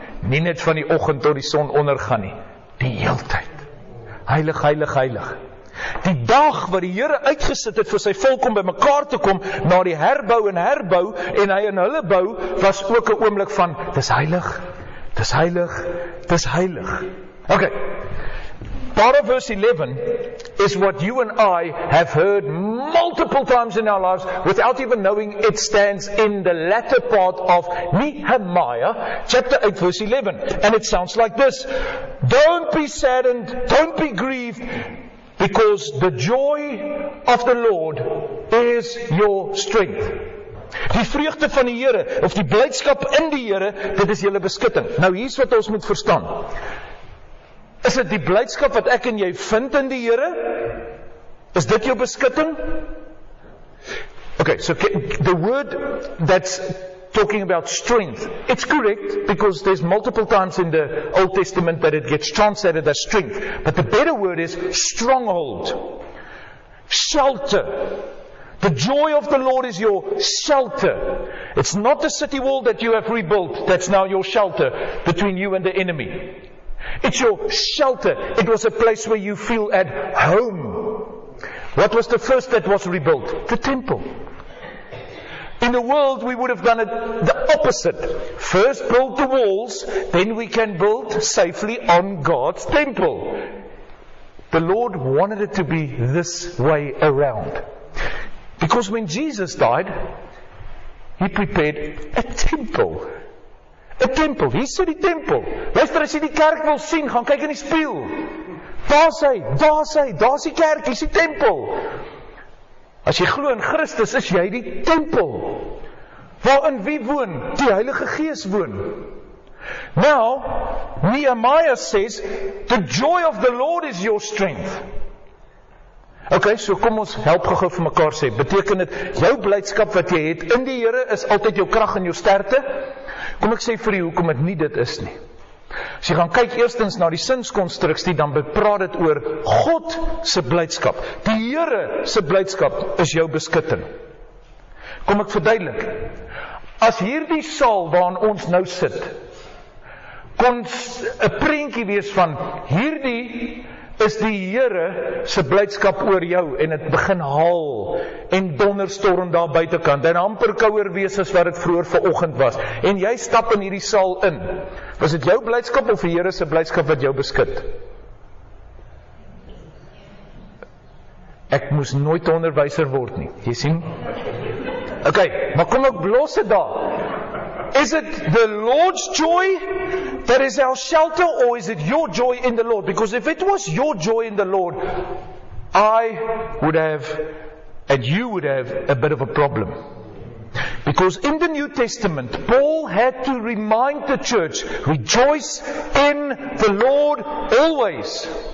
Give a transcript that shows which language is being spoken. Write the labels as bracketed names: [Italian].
[Afrikaans] Nie net van die oggend tot die son ondergaan nie. Die heeltyd. Heilig, heilig, heilig. Die dag wat die Here uitgesit het vir sy volk om by mekaar te kom, na die herbou en herbou, en hy in hulle bou, was ook 'n oomblik van, dis heilig, dis heilig, dis heilig. [English] Ok, part of verse 11 is what you and I have heard multiple times in our lives, without even knowing it stands in the latter part of Nehemiah, chapter 8, verse 11. And it sounds like this, don't be saddened, don't be grieved, because the joy of the Lord is your strength. [Afrikaans] Die vreugde van die Here, of die blydskap in die Here, dit is julle beskutting. Nou, hier is wat ons moet verstaan. Is dit die blydskap wat ek en jy vind in die Here? Is dit jou beskutting? [English] Okay, so the word that's talking about strength, it's correct, because there's multiple times in the Old Testament that it gets translated as strength, but the better word is stronghold, shelter. The joy of the Lord is your shelter. It's not the city wall that you have rebuilt that's now your shelter between you and the enemy. It's your shelter. It was a place where you feel at home. What was the first that was rebuilt? The temple. In the world, we would have done it the opposite. First build the walls, then we can build safely on God's temple. The Lord wanted it to be this way around. Because when Jesus died, He prepared a temple. A temple. [Afrikaans] Hier sê die tempel. Luister, as jy die kerk wil sien, gaan kyk in die spieël. Daar sê, daar sê, daar is die kerk, hier is die tempel. As jy glo in Christus, is jy die tempel. Waarin wie woon? Die Heilige Gees woon. [English] Now, Nehemiah says, the joy of the Lord is your strength. Okay, so [Afrikaans] kom ons help gou-gou vir mekaar sê. Beteken dit, jou blydskap wat jy het in die Here is altyd jou krag en jou sterkte? Kom ek sê vir jou hoekom dit nie dit is nie. As jy gaan kyk eerstens na die sinskonstruksie, dan bepraat dit oor God se blydskap. Die Here se blydskap is jou beskutting. Kom ek verduidelik. As hierdie saal waarin ons nou sit, kon 'n prentjie wees van hierdie is die Here se blydskap oor jou en het begin haal en donderstorm daar buitekant en amper kouer wees as wat het vroeër vanoggend was en jy stap in hierdie saal in, was het jou blydskap of die Here se blydskap wat jou beskut? Ek moes nooit onderwyser word nie, jy sien? Ok, maar kom ek los het daar. [English] Is it the Lord's joy that is our shelter, or is it your joy in the Lord? Because if it was your joy in the Lord, I would have, and you would have, a bit of a problem. Because in the New Testament, Paul had to remind the church, rejoice in the Lord always.